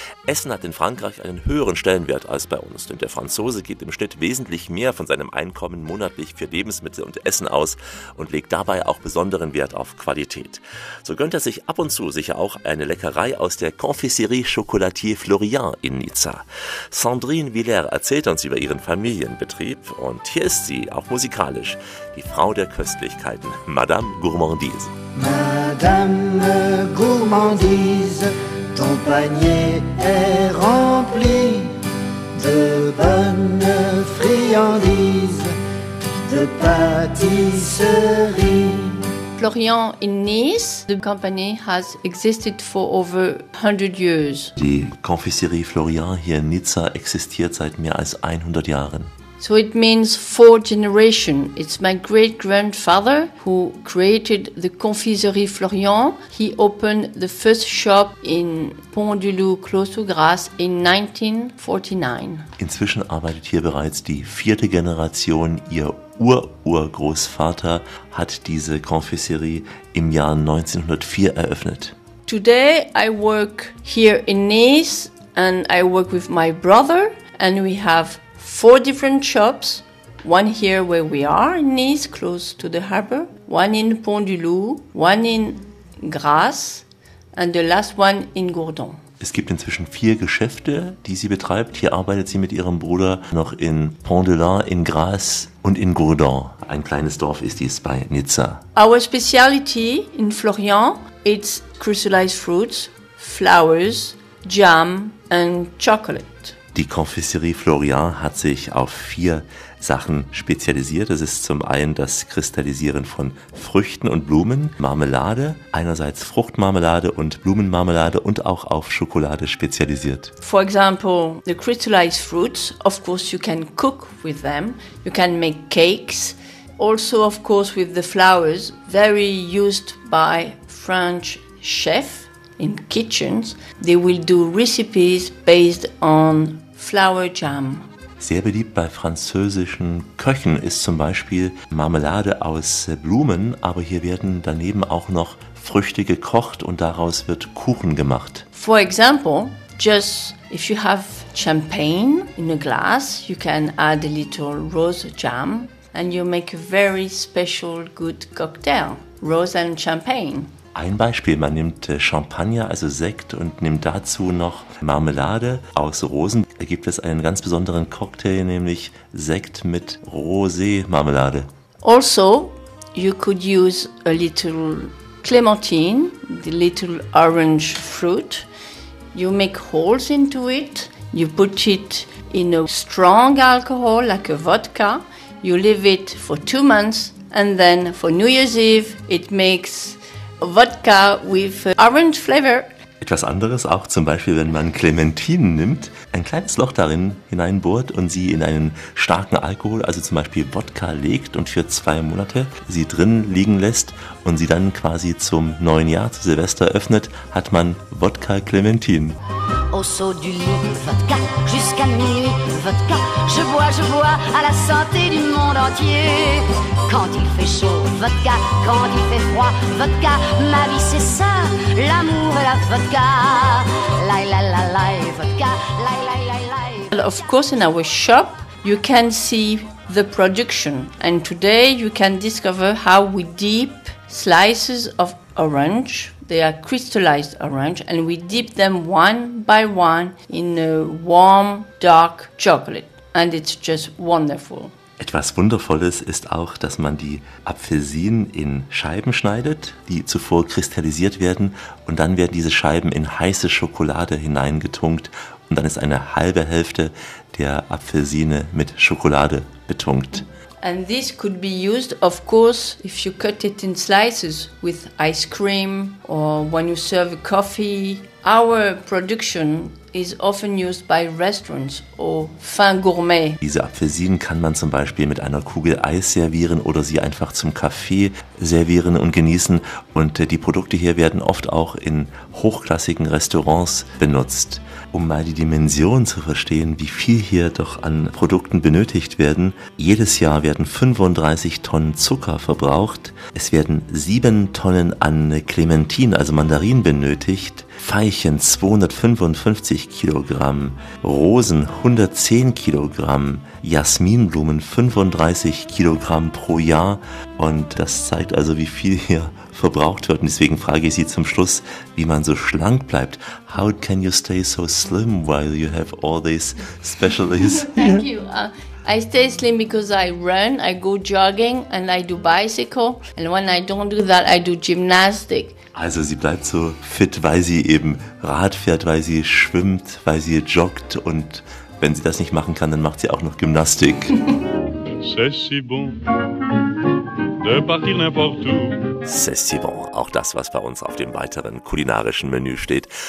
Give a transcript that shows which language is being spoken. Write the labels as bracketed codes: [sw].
[de] Essen hat in Frankreich einen höheren Stellenwert als bei uns, denn der Franzose gibt im Schnitt wesentlich mehr von seinem Einkommen monatlich für Lebensmittel und Essen aus und legt dabei auch besonderen Wert auf Qualität. So gönnt er sich ab und zu sicher auch eine Leckerei aus der Confiserie Chocolatier Florian in Nizza. Sandrine Villers erzählt uns über ihren Familienbetrieb und hier ist sie, auch musikalisch, die Frau der Köstlichkeiten, Madame Gourmandise. [fr] Madame Gourmandise, ton panier est rempli de bonnes friandises, de pâtisseries. [en] Florian in Nice. The company has existed for over 100 years. [de] Die Confiserie Florian hier in Nizza existiert seit mehr als 100 Jahren. [en] So it means four generations. It's my great-grandfather who created the Confiserie Florian. He opened the first shop in Pont-du-Loup, close to Grasse, in 1949. [de] Inzwischen arbeitet hier bereits die vierte Generation. Ihr Ur-Urgroßvater hat diese Confiserie im Jahr 1904 eröffnet. [en] Today I work here in Nice and I work with my brother and we have four different shops, one here where we are in Nice, close to the harbor, one in Pont-du-Loup, one in Grasse, and the last one in Gourdon. [de] Es gibt inzwischen vier Geschäfte, die sie betreibt. Hier arbeitet sie mit ihrem Bruder noch in Pont-du-Loup, in Grasse und in Gourdon. Ein kleines Dorf ist dies bei Nizza. [en] Our specialty in Florian, it's crystallized fruits, flowers, jam and chocolate. [de] Die Confiserie Florian hat sich auf vier Sachen spezialisiert. Das ist zum einen das Kristallisieren von Früchten und Blumen, Marmelade, einerseits Fruchtmarmelade und Blumenmarmelade und auch auf Schokolade spezialisiert. [en] For example, the crystallized fruits, of course you can cook with them, you can make cakes. Also of course with the flowers, very used by French chefs. In kitchens, they will do recipes based on flower jam. [de] Sehr beliebt bei französischen Köchen ist zum Beispiel Marmelade aus Blumen, aber hier werden daneben auch noch Früchte gekocht und daraus wird Kuchen gemacht. [en] For example, just if you have champagne in a glass, you can add a little rose jam and you make a very special good cocktail, rose and champagne. [de] Ein Beispiel, man nimmt Champagner, also Sekt, und nimmt dazu noch Marmelade aus Rosen. Da gibt es einen ganz besonderen Cocktail, nämlich Sekt mit Rosé-Marmelade. [en] Also, you could use a little clementine, the little orange fruit. You make holes into it, you put it in a strong alcohol, like a vodka. You leave it for 2 months, and then for New Year's Eve, it makes Vodka with orange flavor. [de] Etwas anderes auch, zum Beispiel, wenn man Clementinen nimmt, ein kleines Loch darin hineinbohrt und sie in einen starken Alkohol, also zum Beispiel Wodka, legt und für 2 Monate sie drin liegen lässt und sie dann quasi zum neuen Jahr, zu Silvester öffnet, hat man Wodka Clementinen. [fr] Au saut du lit, Vodka, jusqu'à minuit, Vodka, je bois, à la santé du monde entier. Quand il fait chaud, Vodka, quand il fait froid, Vodka, ma vie c'est ça, l'amour et la Vodka. Lai, lai, lai, lai, Vodka, lai, lai, lai, lai. [en] Well, of course, in our shop, you can see the production. And today, you can discover how we dip slices of orange. They are crystallized orange and we dip them one by one in a warm, dark chocolate. And it's just wonderful. [de] Etwas Wundervolles ist auch, dass man die Apfelsinen in Scheiben schneidet, die zuvor kristallisiert werden. Und dann werden diese Scheiben in heiße Schokolade hineingetunkt. Und dann ist eine halbe Hälfte der Apfelsine mit Schokolade betunkt. [en] And this could be used, of course, if you cut it in slices with ice cream or when you serve a coffee. Our production is often used by restaurants or fin gourmet. [de] Diese Apfelsinen kann man zum Beispiel mit einer Kugel Eis servieren oder sie einfach zum Kaffee servieren und genießen. Und die Produkte hier werden oft auch in hochklassigen Restaurants benutzt. Um mal die Dimension zu verstehen, wie viel hier doch an Produkten benötigt werden. Jedes Jahr werden 35 Tonnen Zucker verbraucht. Es werden 7 Tonnen an Clementinen, also Mandarinen, benötigt. Veilchen 255 Kilogramm, Rosen 110 Kilogramm, Jasminblumen 35 Kilogramm pro Jahr. Und das zeigt also, wie viel hier verbraucht wird. Und deswegen frage ich Sie zum Schluss, wie man so schlank bleibt. [en] How can you stay so slim while you have all these specialties? Thank you. I stay slim because I run, I go jogging and I do bicycle. And when I don't do that, I do gymnastic. [de] Also sie bleibt so fit, weil sie eben Rad fährt, weil sie schwimmt, weil sie joggt. Und wenn sie das nicht machen kann, dann macht sie auch noch Gymnastik. [fr] C'est si bon de partir n'importe où. C'est si bon, [de] auch das, was bei uns auf dem weiteren kulinarischen Menü steht.